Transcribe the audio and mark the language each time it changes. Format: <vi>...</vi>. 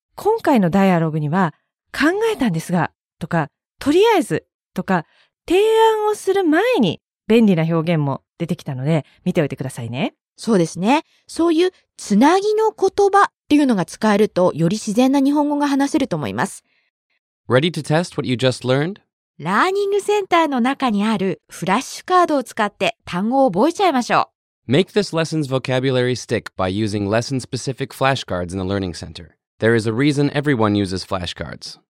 <ja>今回のダイアログには、考えたんですが、とか、とりあえず、とか、提案をする前に、便利な表現も出てきたので、見ておいてくださいね。そうですね。そういう、つなぎの言葉っていうのが使えると、より自然な日本語が話せると思います。</ja> <en>Ready to test what you just learned?</en> <ja>ラーニングセンターの中にある、フラッシュカードを使って、単語を覚えちゃいましょう。</ja> <en>Make this lesson's vocabulary stick by using lesson-specific flashcards in the Learning Center. There is a reason everyone uses flashcards.</en>